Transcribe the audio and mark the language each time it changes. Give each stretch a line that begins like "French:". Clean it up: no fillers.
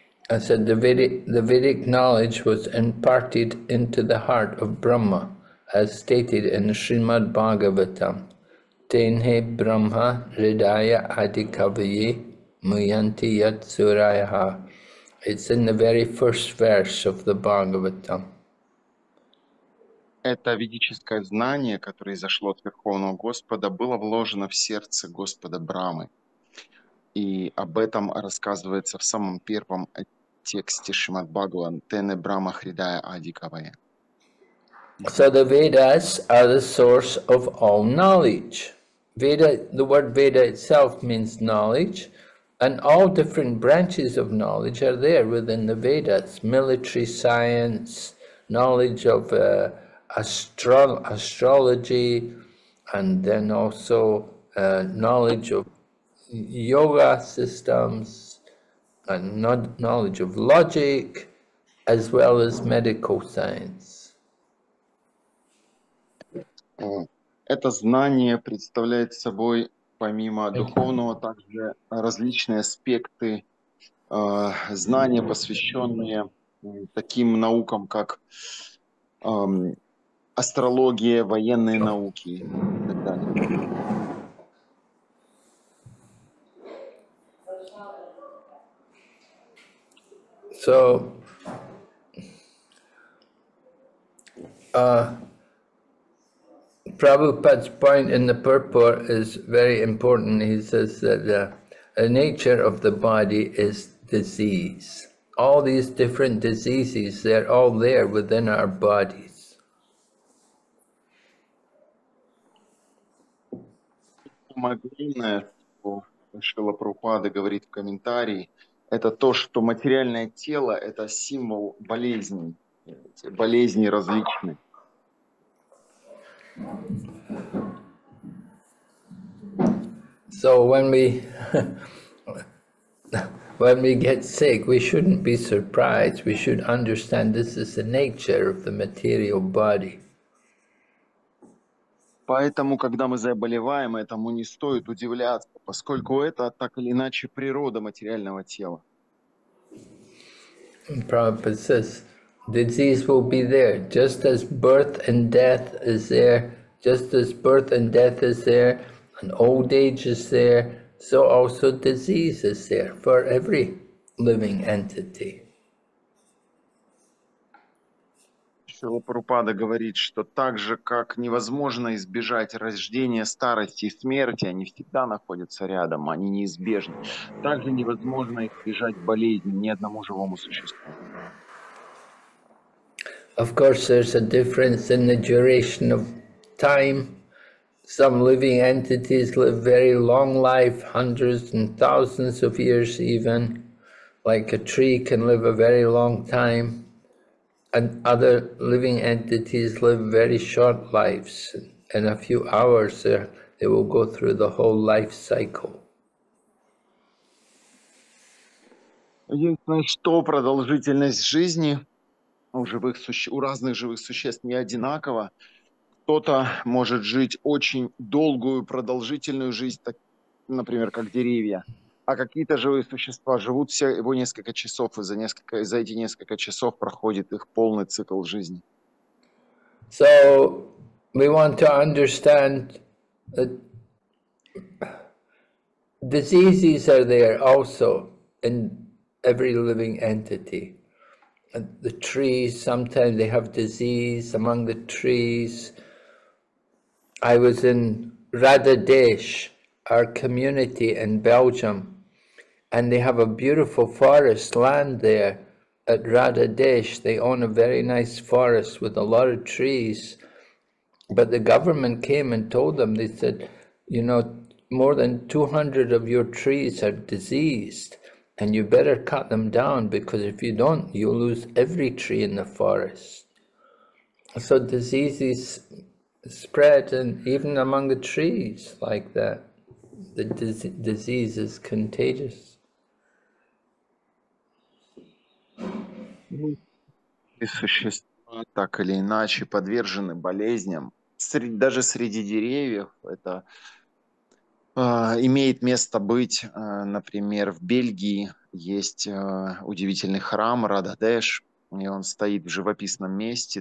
English: I said the Vedic knowledge was imparted into the heart of Brahma, as stated in Srimad Bhagavatam.
Sanskrit: Tenhe Brahma Hridaya Adikavye Muyanti Yatsurayaha.
English: It's in the very first verse of the Bhagavatam.
Russian: Это ведическое знание, которое изошло от Верховного Господа, было вложено в сердце Господа Брамы. И об этом рассказывается в самом первом тексте Шримад Бхагаван.
Sanskrit: Тене Брама Хридая Адикавая.
English: So the Vedas are the source of all knowledge. Veda, the word Veda itself means knowledge, and all different branches of knowledge are there within the Vedas. Military science, knowledge of astrology, and then also knowledge of yoga systems, and knowledge of logic, as well as medical science.
Russian: Это знание представляет собой, помимо духовного, также различные аспекты знания, посвященные таким наукам, как астрология, военные науки и так далее.
English: So, Prabhupada's point in the purport is very important. He says that the nature of the body is disease. All these different diseases, they're all there within our bodies.
Russian: Самое главное, что Шрила Прабхупада говорит в комментарии, это то, что материальное тело – это символ болезней, болезни различные.
English: So when we get sick, we shouldn't be surprised. We should understand this is the nature of the material body.
Russian: Поэтому, когда мы заболеваем, этому не стоит удивляться, поскольку это так или иначе природа материального тела.
English: Prabhupada says, disease will be there, just as birth and death is there, just as birth and death is there, and old age is there, so also disease is there for every living entity.
Russian: Шрила Прабхупада говорит, что так же, как невозможно избежать рождения, старости и смерти, они всегда находятся рядом, они неизбежны. Так же невозможно избежать болезни ни одному живому существу.
English: Of course, there's a difference in the duration of time. Some living entities live very long life, hundreds and thousands of years even. Like a tree can live a very long time. And other living entities live very short lives. In a few hours, they will go through the whole life cycle.
Russian: Единственное, что продолжительность жизни у разных живых существ не одинакова. Кто-то может жить очень долгую продолжительную жизнь, так, например, как деревья. А какие-то живые существа живут всего несколько часов, и за эти несколько часов проходит их полный цикл жизни.
English: So we want to understand that diseases are there also in every living entity. And the trees, sometimes they have disease among the trees. I was in Radadesh, our community in Belgium. And they have a beautiful forest land there at Radadesh. They own a very nice forest with a lot of trees. But the government came and told them, they said, you know, more than 200 of your trees are diseased and you better cut them down, because if you don't, you'll lose every tree in the forest. So diseases spread, and even among the trees like that, the disease is contagious.
Russian: И существа так или иначе подвержены болезням. Даже среди деревьев это имеет место быть. Например, в Бельгии есть удивительный храм Рададеш, и он стоит в живописном месте.